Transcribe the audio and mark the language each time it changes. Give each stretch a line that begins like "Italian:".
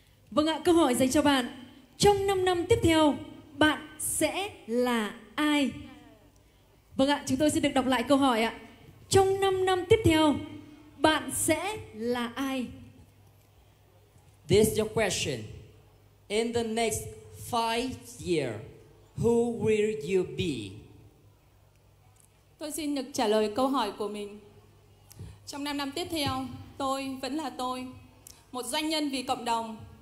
Vietnamese: Vâng ạ, câu hỏi dành cho bạn. Trong 5 năm tiếp theo, bạn sẽ là ai? Vâng ạ, chúng tôi sẽ được đọc lại câu hỏi ạ. Trong 5 năm tiếp theo, bạn sẽ là ai?
English: This is your question. In the next 5 years, who will you be?
Vietnamese: Tôi xin được trả lời câu hỏi của mình. Trong 5 năm tiếp theo, tôi vẫn là tôi, một doanh nhân vì cộng đồng.